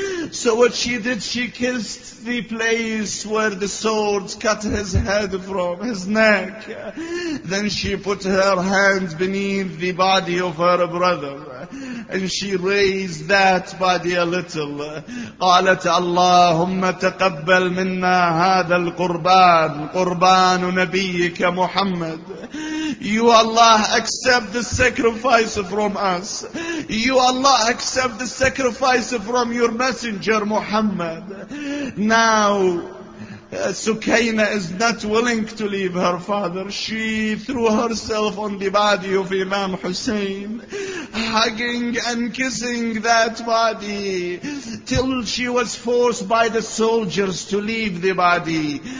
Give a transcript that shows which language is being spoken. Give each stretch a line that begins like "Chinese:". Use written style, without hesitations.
English: So what she did, she kissed the place where the sword cut his head from, his neck. Then she put her hand beneath the body of her brother, and she raised that body a little.
Arabic: قالت اللهم تقبل منا هذا القربان قربان نبيك محمد.
English: You Allah accept the sacrifice from us. You Allah accept the sacrifice from your messenger Muhammad. Now Sukaina is not willing to leave her father. She threw herself on the body of Imam Hussein, hugging and kissing that body till she was forced by the soldiers to leave the body.